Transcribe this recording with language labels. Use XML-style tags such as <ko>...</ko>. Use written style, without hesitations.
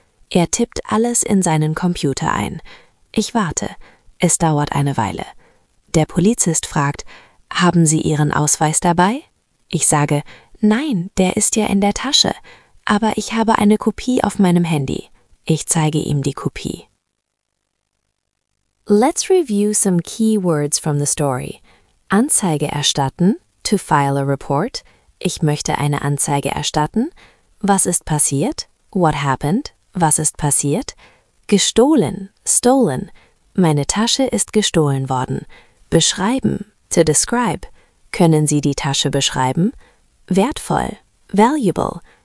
<de>Er tippt alles in seinen Computer ein. Ich warte. Es dauert eine Weile. Der Polizist fragt: Haben Sie Ihren Ausweis dabei? Ich sage: Nein, der ist ja in der Tasche. Aber ich habe eine Kopie auf meinem Handy. Ich zeige ihm die Kopie.</de> <en>Let's review some key words from the story.</en> <de>Anzeige erstatten,</de> <en>to file a report.</en> <de>Ich möchte eine Anzeige erstatten. Was ist passiert?</de> <en>What happened?</en> <de>Was ist passiert? Gestohlen,</de> <en>stolen.</en> <de>Meine Tasche ist gestohlen worden. Beschreiben,</de> <en>to describe.</en> <de>Können Sie die Tasche beschreiben? Wertvoll,</de> <en>valuable.</en>